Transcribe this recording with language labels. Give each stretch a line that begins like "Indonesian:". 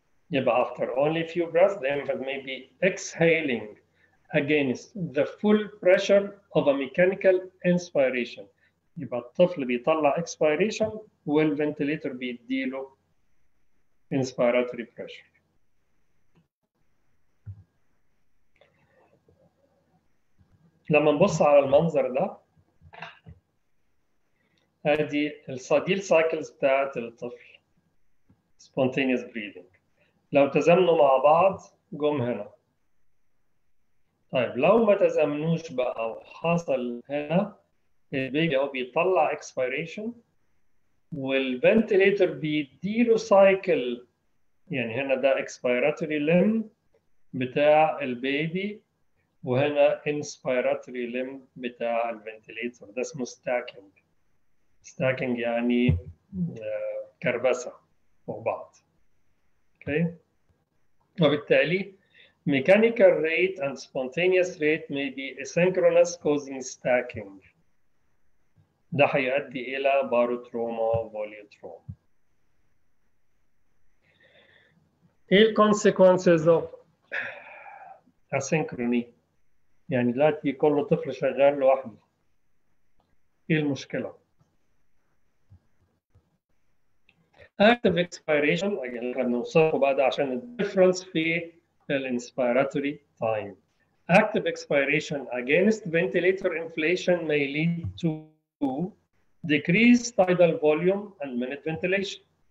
English: يبقى after only few breaths the infant may be exhaling against the full pressure of a mechanical inspiration.
Arabic: يبقى الطفل بيطلع expiration والventilator بيديله inspiratory pressure. لما نبص على المنظر ده، هادي الصديل cycles بتاعت الطفل spontaneous breathing. لو تزامنوا مع بعض جم هنا. طيب لو ما تزامنوش بقى وحصل هنا، البيبي هو بيطلع expiration والventilator بيديله cycle، يعني هنا ده expiratory limb بتاع البيبي وهنا inspiratory limb بتاع الventilator، ده اسمه stacking. stacking يعني كربسة فوق بعض. اوكي، وبالتالي
English: mechanical rate and spontaneous rate may be asynchronous causing stacking.
Arabic: ده هيؤدي الى barotrauma volutrauma. ايه
English: consequences of asynchrony؟
Arabic: يعني دلوقتي كل طفل شغال لوحده، ايه المشكله؟ active expiration، اجل نوصفه بعد عشان difference في inspiratory time.
English: Active expiration against ventilator inflation may lead to decreased tidal volume and minute ventilation.